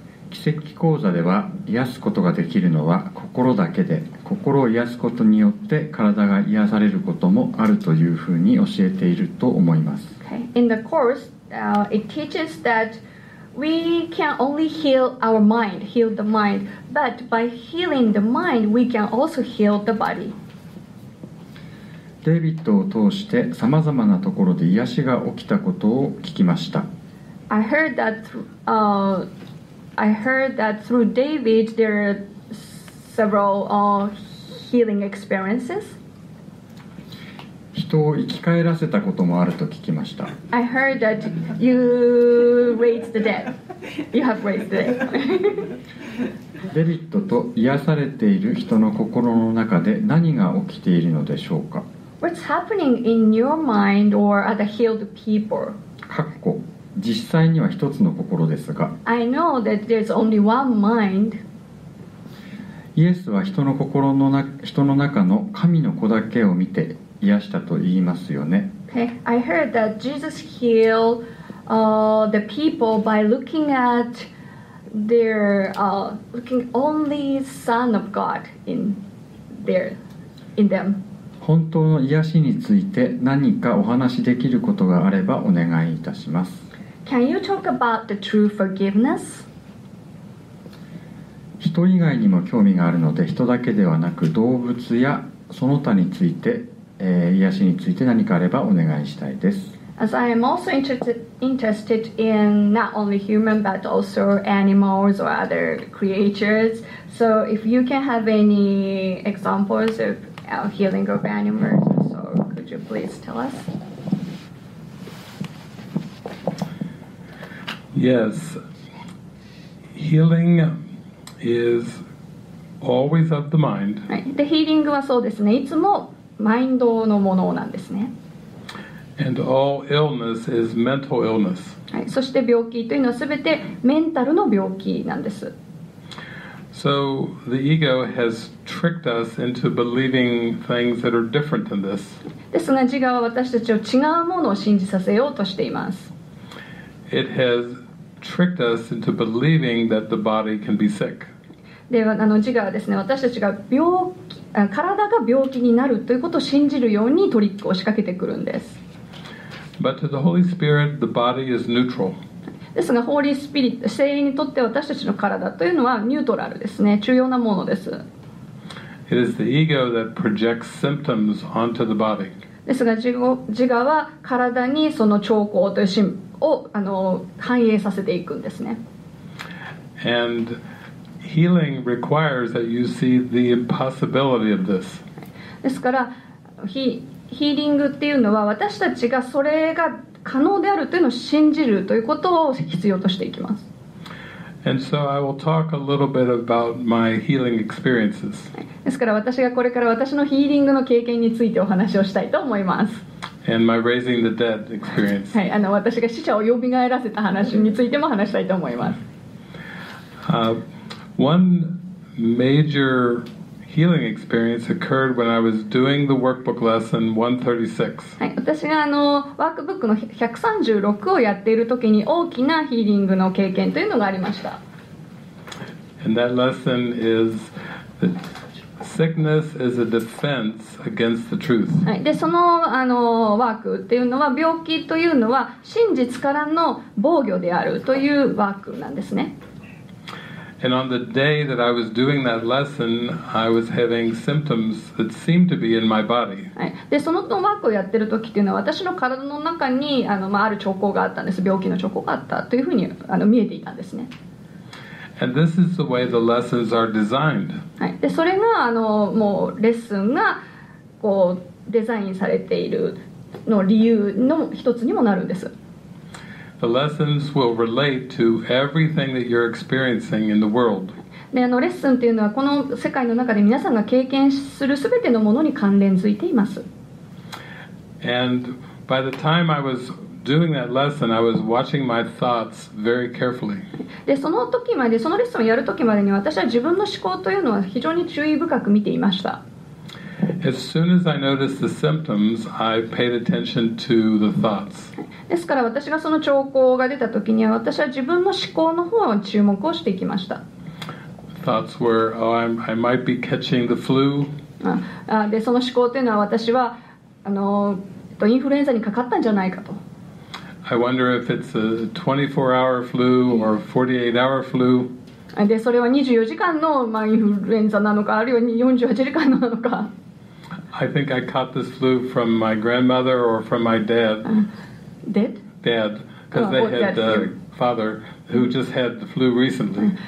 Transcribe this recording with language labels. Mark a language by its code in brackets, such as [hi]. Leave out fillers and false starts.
[ja] 奇跡講座では癒すことができるのは心だけで、心を癒すことによって体が癒されることもあるというふうに教えていると思います。 [en] Okay. In the course, it teaches that we can only heal our mind, heal the mind, but by healing the mind, we can also heal the body. [ja] デイビッドを通して様々なところで癒しが起きたことを聞きました。 [en] I heard that through David there are several healing experiences. [ja] 人を生き返らせたこともあると聞きました。 [en] I heard that you raised the dead. You have raised the dead. [ja] デイビッドと癒されている人の心の中で何が起きているのでしょうか。 [en] What's happening in your mind or at the healed people? [ja] かっこ、実際には一つの心ですが。 [en] I know that there's only one mind. [ja] イエスは人の心の中、人の中の神の子だけを見て癒したと言いますよね。 [en] Okay. I heard that Jesus healed, the people by looking at their, looking only Son of God in their, in them. [ja] 本当の癒しについて何かお話しできることがあればお願いいたします。 [en] Can you talk about the true forgiveness? [ja] 人以外にも興味があるので、人だけではなく動物やその他について、癒しについて何かあればお願いしたいです。 [en] As I am also interested in not only human but also animals or other creatures, so if you can have any examples ofhealing of animals, so could you please tell us? Yes, healing is always of the mind. Right. The healing [ja] はそうですね。いつもマインドのものなんですね。 [en] And all illness is mental illness. [ja] はい。そして病気というのはすべてメンタルの病気なんです。 [en] So the ego has tricked us into believing things that are different than this. [ja] ですが、自我は私たちを違うものを信じさせようとしています。 [en] It has tricked us into believing that the body can be sick. [ja] では、自我はですね、私たちが体が病気になるということを信じるようにトリックを仕掛けてくるんです。 [en] But to the Holy Spirit, the body is neutral. [ja] ですが、ホーリースピリット、聖霊にとって私たちの体というのはニュートラルですね、重要なものです。 [en] It is the ego that projects symptoms onto the body. [ja] ですが、自我は体にその兆候という心を反映させていくんですね。 [en] And healing requires that you see the impossibility of this. [ja] ですから、ヒーリングっていうのは私たちがそれが可能であるというのを信じるということを必要としていきます。 [en] And so I will talk a little bit about my healing experiences. [ja] ですから私がこれから私のヒーリングの経験についてお話をしたいと思います。 [en] And my raising the dead experience. [ja] はい、私が死者を蘇らせた話についても話したいと思います。 [en] One major healing experience occurred when I was doing the workbook lesson 136. [ja] はい、私がワークブックの136をやっている時に大きなヒーリングの経験というのがありました。 [en] And that lesson is that sickness is a defense against the truth. [ja] はい、で、その、ワークっていうのは病気というのは真実からの防御であるというワークなんですね。 [en] And on the day that I was doing that lesson, I was having symptoms that seemed to be in my body. [ja] で、そのワークをやってる時っていうのは、私の体の中にある兆候があったんです。病気の兆候があったというふうに見えていたんですね。 [en] And this is the way the lessons are designed. [ja] で、それがもうレッスンがこうデザインされているの理由の一つにもなるんです。 [en] The lessons will relate to everything that you're experiencing in the world. [ja] で、レッスンっていうのはこの世界の中で皆さんが経験するすべてのものに関連づいています。 [en] And by the time I was doing that lesson, I was watching my thoughts very carefully. [ja] で、その時まで、そのレッスンをやる時までに私は自分の思考というのは非常に注意深く見ていました。 [en] As soon as I notice the symptoms, I paid attention to the thoughts. [ja] ですから私がその兆候が出た時には私は自分の思考の方を注目をしていきました。 [en] Thoughts were, oh, I might be catching the flu. [ja] で、その思考というのは私はインフルエンザにかかったんじゃないかと。 [en] I wonder if it's a 24-hour flu or a 48-hour flu. [ja] で、それは24時間の、インフルエンザなのか、あるいは48時間なのか。 [en] I think I caught this flu from my grandmother or from my dad. Dead? Dad, because they had the father who just had the flu recently.